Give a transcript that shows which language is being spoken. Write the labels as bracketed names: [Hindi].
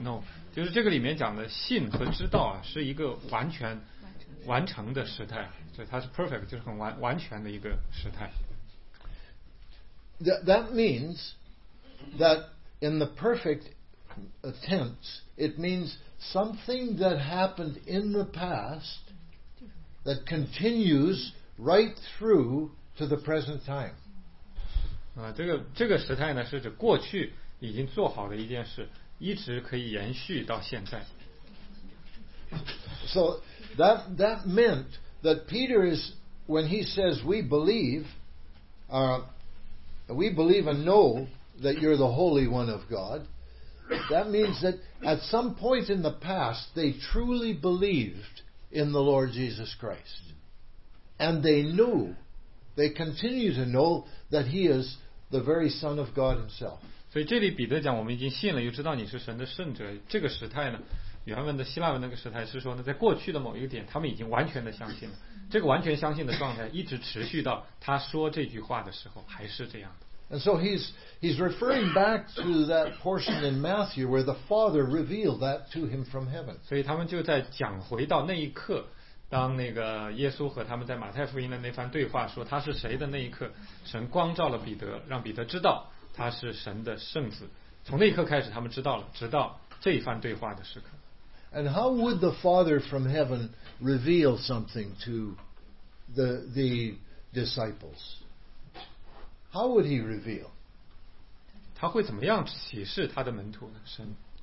[Chinese] No, 就是这个里面讲的信和知道啊，是一个完全完成的时态，所以它是 perfect， 就是很完全的一个时态。 [English] That means that in the perfect attempts, it means something that happened in the past that continues right through to the present time. [Chinese] 这个时态呢，是指过去已经做好的一件事，一直可以延续到现在。 [English] So that meant that Peter is, when he says we believe and know that you're the Holy One of God, that means that at some point in the past they truly believed in the Lord Jesus Christ. And they knew, they continue to know that he is the very Son of God himself. [Chinese] 所以这里彼得讲，我们已经信了，又知道你是神的圣者。这个时态呢，原文的希腊文那个时态是说呢，在过去的某一个点，他们已经完全的相信了。这个完全相信的状态一直持续到他说这句话的时候还是这样的。 [English] And so he's referring back to that portion in Matthew where the Father revealed that to him from heaven. [Chinese] 所以他们就在讲回到那一刻，当那个耶稣和他们在马太福音的那番对话，说他是谁的那一刻，神光照了彼得，让彼得知道他是神的圣子。从那一刻开始，他们知道了，直到这一番对话的时刻。 [English] And how would the Father from heaven reveal something to the disciples? How would he reveal? [Chinese] 他会怎么样启示他的门徒呢？神